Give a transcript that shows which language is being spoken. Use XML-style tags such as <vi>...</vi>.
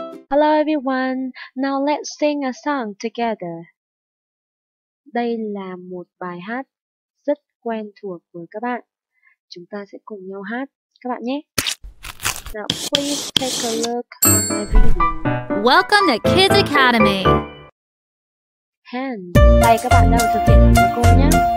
<en>Hello everyone, now let's sing a song together.</en> <vi>Đây là một bài hát rất quen thuộc với các bạn. Chúng ta sẽ cùng nhau hát các bạn nhé.</vi> <en>Now please take a look on my video. Welcome to Kids Academy.</en> <vi>Hands, tay các bạn đang thực hiện với cô nhé.</vi>